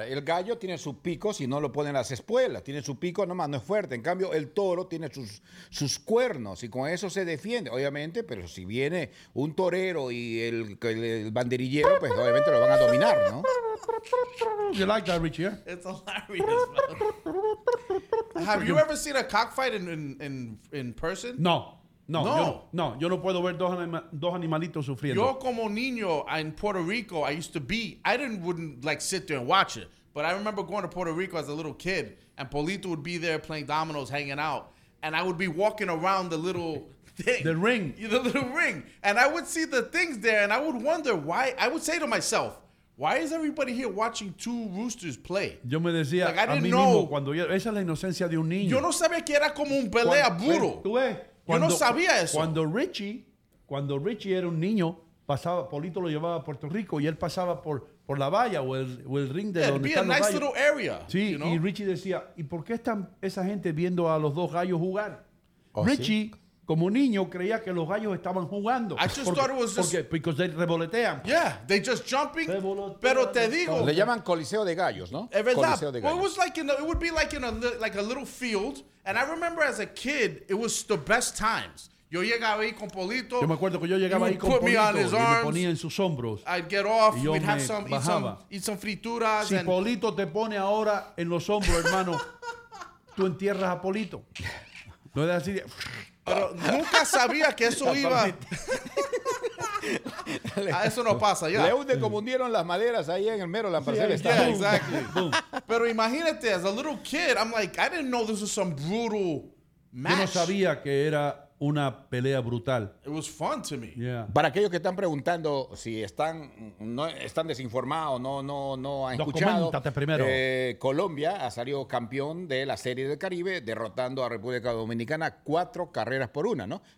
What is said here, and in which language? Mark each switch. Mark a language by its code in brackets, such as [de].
[es] El gallo tiene su pico si no lo ponen las espuelas. Tiene su pico nomás, no es fuerte. En cambio, el toro tiene sus cuernos y con eso se defiende, obviamente. Pero si viene un torero y el banderillero, pues obviamente lo van a dominar, ¿no? [en] You like that, Richie? Yeah? It's hilarious, man. Have you ever seen a cockfight in person? [es] No. Yo no puedo ver dos animalitos sufriendo. Yo como niño en Puerto Rico, [en] I wouldn't sit there and watch it. But I remember going to Puerto Rico as a little kid, and Polito would be there playing dominoes, hanging out. And I would be walking around the little thing. The ring. The little ring. And I would see the things there, and I would wonder why. I would say to myself, why is everybody here watching two roosters play? [es] Yo me decía, [en] like, I didn't [es] a mí mismo, [en] know. [es] Cuando yo, esa es la inocencia de un niño. Yo no sabía que era como un pelea burro. Tú ves. Cuando, yo no sabía eso. Cuando Richie era un niño, pasaba, Polito lo llevaba a Puerto Rico y él pasaba por la valla o el ring de donde [en] It'd be a nice little area. [es] Sí, [en] you know? [es] Y Richie decía, ¿y por qué están esa gente viendo a los dos gallos jugar? [en] Oh, Richie, [es] ¿sí? Como niño, creía que los gallos estaban jugando. Porque [en] they [es] revolotean. [en] Yeah, they just jumping. [es] Pero te digo. Le llaman Coliseo de Gallos, ¿no? Es verdad. Coliseo de Gallos. [en] Well, it would be like in a little field. And I remember as a kid, it was the best times. [es] Yo llegaba ahí con Polito. Yo me acuerdo que yo llegaba ahí con Polito. [en] Put me on his arms. [es] Y me ponía en sus hombros. [en] I'd get off. We'd have some, eat some frituras. [es] Si Polito te pone ahora en los hombros, hermano, tú entierras a Polito. No es así. Pero nunca sabía que eso iba. Eso no pasa ya. Le hunde como hundieron las maderas ahí en el mero lamparcel. [en] Yeah, exactly. [es] Pero imagínate, [en] as a little kid, I'm like, I didn't know this was some brutal match. [es] Yo no sabía que era una pelea brutal. [en] It was fun to me. Yeah. [es] Para aquellos que están preguntando si están, no, están desinformados, no han escuchado. Coméntate primero. Colombia ha salido campeón de la Serie del Caribe derrotando a República Dominicana 4-1, ¿no?